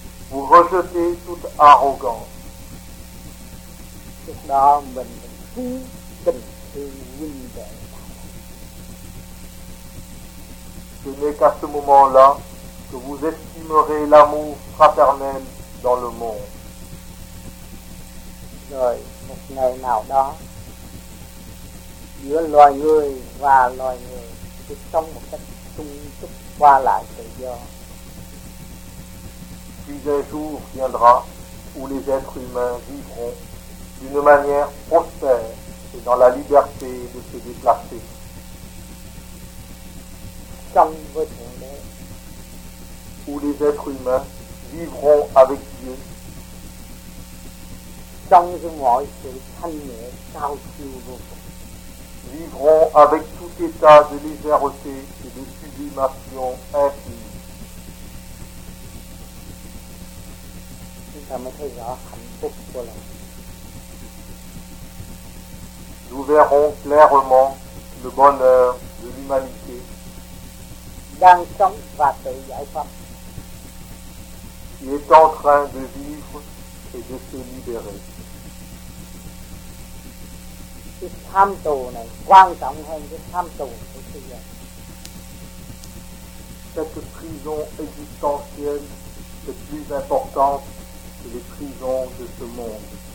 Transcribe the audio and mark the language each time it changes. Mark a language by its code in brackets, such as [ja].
[fr] Vous rejetez toute arrogance. Ce n'est qu'à ce moment-là que vous estimerez l'amour fraternel dans le monde. [vi] Rồi, một ngày nào đó, giữa loài người và loài người sẽ sống một cách chung chúc qua lại tự do. [fr] Puis un jour viendra où les êtres humains vivront d'une manière prospère et dans la liberté de se déplacer. [vi] Sống với Thượng Đế. [fr] Où les êtres humains vivront avec Dieu. [vi] Trong mọi sự thanh nhẹ cao siêu vô cùng. [fr] Vivront avec tout état de légèreté et de sublimation infinie. [vi] Chúng ta mới thấy rõ hạnh phúc của lòng. [fr] Nous verrons clairement le bonheur de l'humanité. [vi] Đang sống và tự giải thoát. [fr] Qui est en train de vivre et de se libérer. Cette prison existentielle est plus importante que les prisons de ce monde.